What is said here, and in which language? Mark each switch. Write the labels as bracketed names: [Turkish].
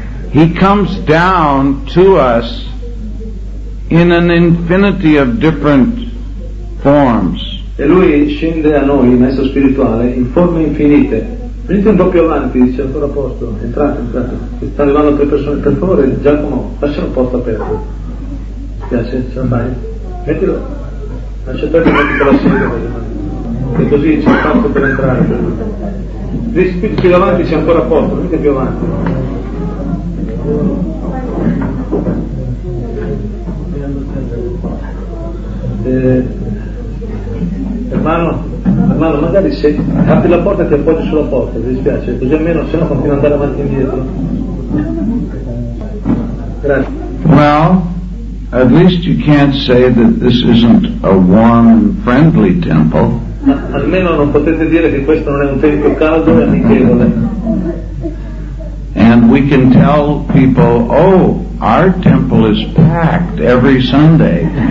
[English] He comes down to us in an infinity of different forms. [Italian] E lui scende a noi, il maestro spirituale, in forme infinite. Venite un po' più avanti, c'è ancora posto. Entrate, entrate. Sta arrivando tre persone, per favore, Giacomo, lascia il posto aperto. Piace, se non vai. Mettilo. Lascia aperto un po' la sedia. E così c'è il posto per entrare. Rispiti più avanti, c'è ancora posto, venite più avanti. Hermano, hermano, magari se apri la porta ti appoggi sulla porta, ti dispiace, così almeno se no continua ad andare avanti e indietro. Grazie. [English] Well, at least you can't say that this isn't a warm and friendly temple. [Italian] Ma almeno non potete dire che questo non è un tempio caldo e amichevole. [English] And we can tell people, oh, our temple is packed every Sunday.